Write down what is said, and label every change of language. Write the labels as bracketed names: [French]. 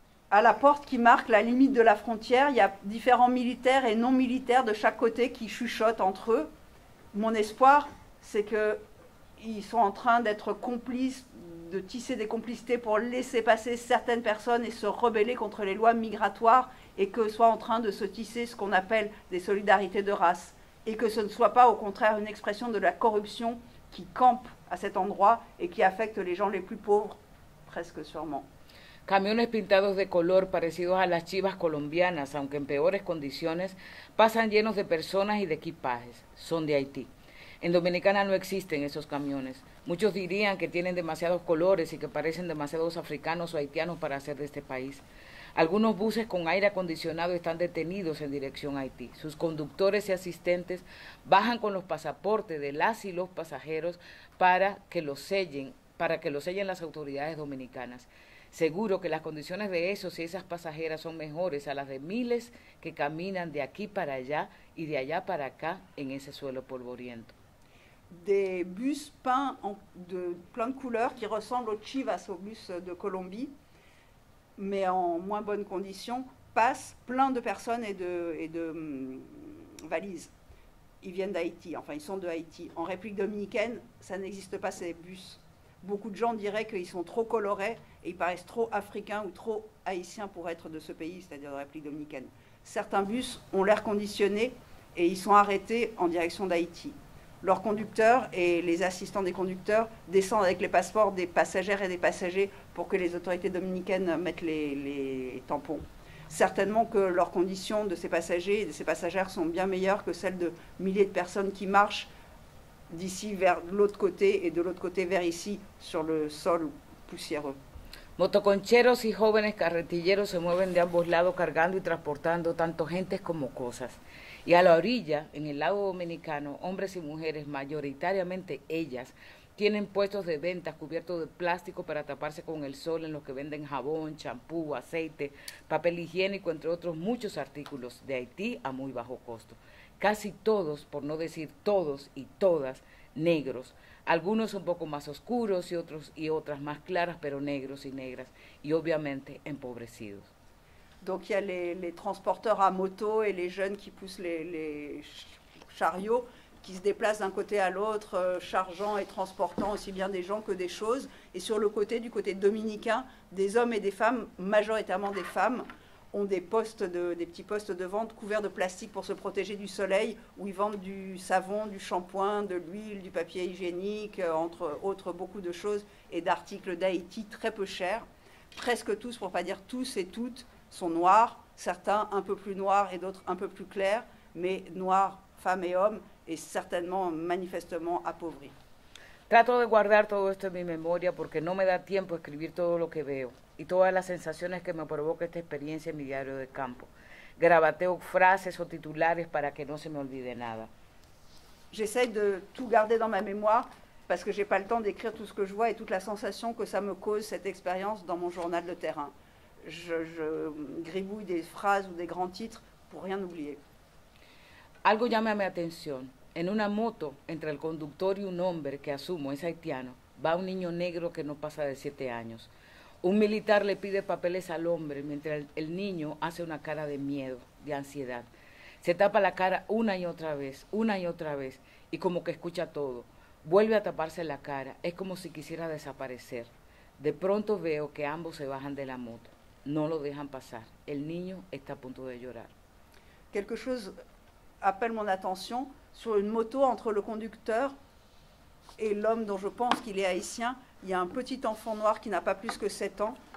[French] À la porte qui marque la limite de la frontière, il y a différents militaires et non militaires de chaque côté qui chuchotent entre eux. Mon espoir, c'est qu'ils sont en train d'être complices, de tisser des complicités pour laisser passer certaines personnes et se rebeller contre les lois migratoires et que soit en train de se tisser ce qu'on appelle des solidarités de race et que ce ne soit pas au contraire une expression de la corruption qui campe à cet endroit et qui affecte les gens les plus pauvres, presque sûrement. [Spanish] Camiones pintados de color, parecidos a las chivas colombianas, aunque en peores condiciones, pasan llenos de personas y de equipajes. Son de Haití. En Dominicana no existen esos camiones. Muchos dirían que tienen demasiados colores y que parecen demasiados africanos o haitianos para ser de este país. Algunos buses con aire acondicionado están detenidos en dirección a Haití. Sus conductores y asistentes bajan con los pasaportes de las y los pasajeros para que los sellen las autoridades dominicanas. Seguro que las condiciones de esos y esas pasajeras son mejores a las de miles que caminan de aquí para allá y de allá para acá en ese suelo polvoriento. [French] Des bus peints de plein de couleurs qui ressemblent aux chivas, aux bus de Colombie, mais en moins bonnes conditions, passent plein de personnes et de valises. Ils viennent d'Haïti, enfin ils sont de Haïti. En République dominicaine, ça n'existe pas ces bus. Beaucoup de gens diraient qu'ils sont trop colorés et ils paraissent trop africains ou trop haïtiens pour être de ce pays, c'est-à-dire de République dominicaine. Certains bus ont l'air conditionnés et ils sont arrêtés en direction d'Haïti. Leurs conducteurs et les assistants des conducteurs descendent avec les passeports des passagères et des passagers pour que les autorités dominicaines mettent les tampons. Certainement que leurs conditions de ces passagers et de ces passagères sont bien meilleures que celles de milliers de personnes qui marchent d'ici vers l'autre côté et de l'autre côté vers ici sur le sol poussiéreux. [Spanish] Motoconcheros y jóvenes carretilleros se mueven de ambos lados cargando y transportando tanto gentes como cosas. Y a la orilla, en el lago Dominicano, hombres y mujeres, mayoritariamente ellas, tienen puestos de ventas cubiertos de plástico para taparse con el sol en los que venden jabón, champú, aceite, papel higiénico, entre otros muchos artículos de Haití a muy bajo costo. Casi todos, por no decir todos y todas, negros. Algunos un poco más oscuros y otros y otras más claras, pero negros y negras, y obviamente empobrecidos. [French] Donc il y a les transporteurs à moto et les jeunes qui poussent les chariots qui se déplacent d'un côté à l'autre, chargeant et transportant aussi bien des gens que des choses. Et sur le côté, du côté dominicain, des hommes et des femmes, majoritairement des femmes, ont des petits postes de vente couverts de plastique pour se protéger du soleil, où ils vendent du savon, du shampoing, de l'huile, du papier hygiénique, entre autres beaucoup de choses et d'articles d'Haïti très peu chers. Presque tous, pour ne pas dire tous et toutes, sont noirs, certains un peu plus noirs et d'autres un peu plus clairs, mais noirs, femmes et hommes, et certainement manifestement appauvris. [Spanish] Trato de guardar todo esto en mi memoria porque no me da tiempo a escribir todo lo que veo y todas las sensaciones que me provoca esta experiencia en mi diario de campo. Grabateo frases o titulares para que no se me olvide nada. [French] J'essaie de tout garder dans ma mémoire parce que j'ai pas le temps d'écrire tout ce que je vois et toute la sensation que ça me cause cette expérience dans mon journal de terrain. Je gribouille des phrases ou des grands titres pour rien oublier. [Spanish] Algo llama mi atención. En una moto, entre el conductor y un hombre que asumo es haitiano, va un niño negro que no pasa de 7 años. Un militar le pide papeles al hombre mientras el niño hace una cara de miedo, de ansiedad. Se tapa la cara una y otra vez, una y otra vez, y como que escucha todo. Vuelve a taparse la cara, es como si quisiera desaparecer. De pronto veo que ambos se bajan de la moto. No lo dejan pasar. El niño está a punto de llorar. [French] Quelque chose appelle mon attention. Sur une moto, entre le conducteur et l'homme dont je pense qu'il est haïtien, il y a un petit enfant noir qui n'a pas plus que 7 ans.